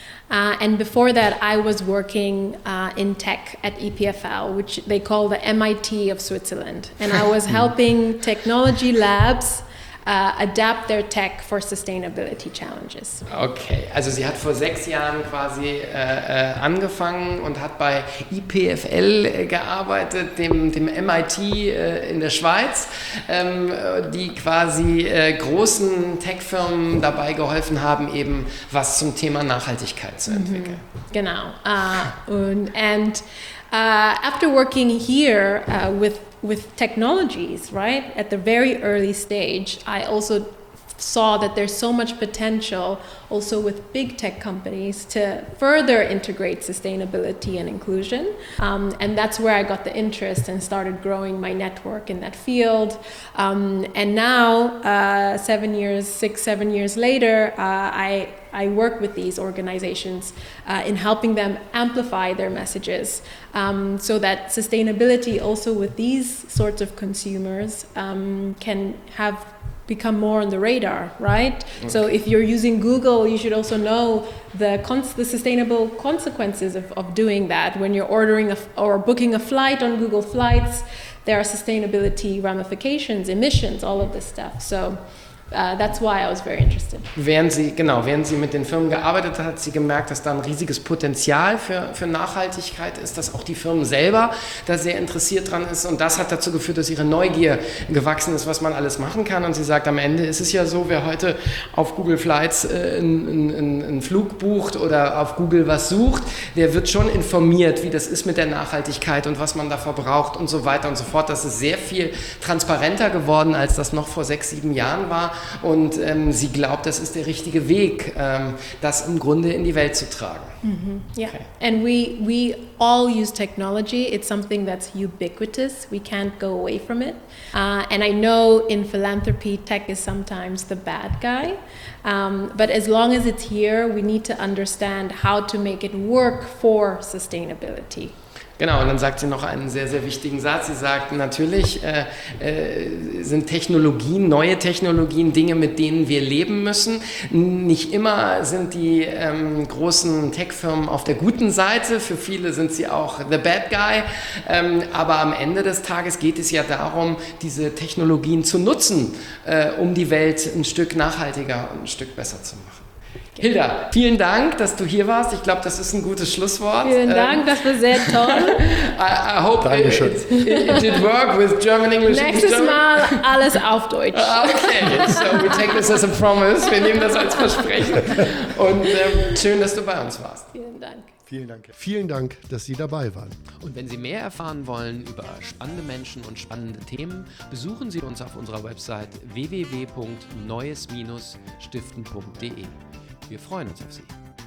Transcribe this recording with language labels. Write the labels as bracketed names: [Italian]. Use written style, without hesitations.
[English] And before that, I was working in tech at EPFL, which they call the MIT of Switzerland. And I was helping technology labs adapt their tech for sustainability challenges. [German] Okay, also sie hat vor 6 Jahren quasi angefangen und hat bei EPFL gearbeitet, dem MIT in der Schweiz, die quasi großen Tech-Firmen dabei geholfen haben, eben was zum Thema Nachhaltigkeit zu entwickeln. Mm-hmm. Genau. [English] After working here with technologies, right, at the very early stage, I also saw that there's so much potential also with big tech companies to further integrate sustainability and inclusion. And that's where I got the interest and started growing my network in that field. And now, 7 years, six, 7 years later, I work with these organizations in helping them amplify their messages so that sustainability also with these sorts of consumers can have become more on the radar, right? Okay. So if you're using Google, you should also know the sustainable consequences of doing that. When you're ordering or booking a flight on Google Flights, there are sustainability ramifications, emissions, all of this stuff. So that's why I was very interested. [German] Während sie mit den Firmen gearbeitet hat, hat sie gemerkt, dass da ein riesiges Potenzial für Nachhaltigkeit ist, dass auch die Firmen selber da sehr interessiert dran ist. Und das hat dazu geführt, dass ihre Neugier gewachsen ist, was man alles machen kann. Und sie sagt, am Ende ist es ja so, wer heute auf Google Flights einen Flug bucht oder auf Google was sucht, der wird schon informiert, wie das ist mit der Nachhaltigkeit und was man davor braucht und so weiter und so fort. Das ist sehr viel transparenter geworden, als das noch vor 6, 7 Jahren war. Und sie glaubt, das ist der richtige Weg, das im Grunde in die Welt zu tragen. [English] Mm-hmm. Yeah. Okay. And we all use technology. It's something that's ubiquitous. We can't go away from it. And I know in philanthropy, tech is sometimes the bad guy. But as long as it's here, we need to understand how to make it work for sustainability. [German] Genau, und dann sagt sie noch einen sehr, sehr wichtigen Satz. Sie sagt, natürlich sind Technologien, neue Technologien, Dinge, mit denen wir leben müssen. Nicht immer sind die großen Tech-Firmen auf der guten Seite. Für viele sind sie auch [English] the bad guy. [German] Aber am Ende des Tages geht es ja darum, diese Technologien zu nutzen, um die Welt ein Stück nachhaltiger und ein Stück besser zu machen. Hilda, vielen Dank, dass du hier warst. Ich glaube, das ist ein gutes Schlusswort. Vielen Dank, das war sehr toll. [English] I hope [German] Dankeschön. [English] It did work with German English. [German] Nächstes Mal alles auf Deutsch. [English] Okay, so we take this as a promise. [German] Wir nehmen das als Versprechen. Und schön, dass du bei uns warst. Vielen Dank. Vielen Dank. Vielen Dank, dass Sie dabei waren. Und wenn Sie mehr erfahren wollen über spannende Menschen und spannende Themen, besuchen Sie uns auf unserer Website www.neues-stiften.de. Wir freuen uns auf Sie.